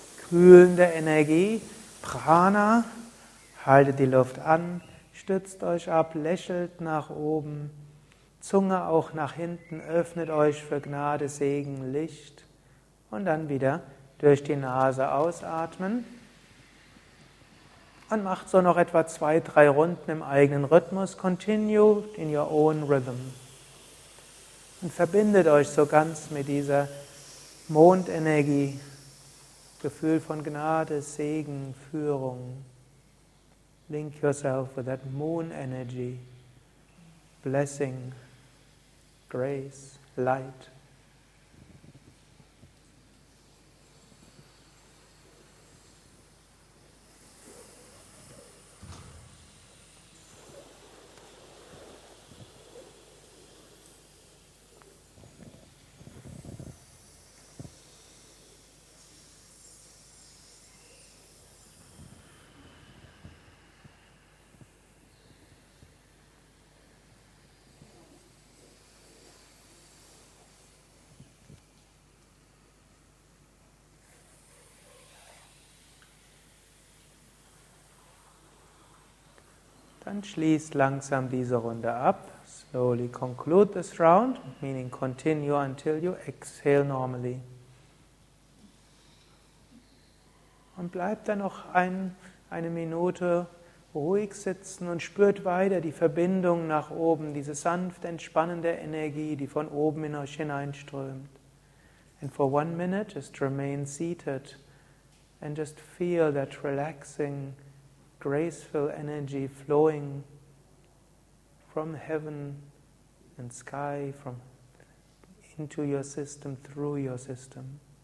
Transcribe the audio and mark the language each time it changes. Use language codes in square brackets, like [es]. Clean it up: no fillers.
[de] kühlende Energie, Prana, haltet die Luft an, stützt euch ab, lächelt nach oben, Zunge auch nach hinten, öffnet euch für Gnade, Segen, Licht und dann wieder durch die Nase ausatmen und macht so noch etwa 2-3 Runden im eigenen Rhythmus, [en] continue in your own rhythm [de] und verbindet euch so ganz mit dieser Mondenergie, Gefühl von Gnade, Segen, Führung. [en] Link yourself with that moon energy, blessing, grace, light. [de] Dann schließt langsam diese Runde ab. [en] Slowly conclude this round, meaning continue until you exhale normally. [de] Und bleibt dann noch eine Minute ruhig sitzen und spürt weiter die Verbindung nach oben, diese sanft entspannende Energie, die von oben in euch hineinströmt. [en] And for 1 minute, just remain seated and just feel that relaxing, graceful energy flowing from heaven and sky from into your system, through your system.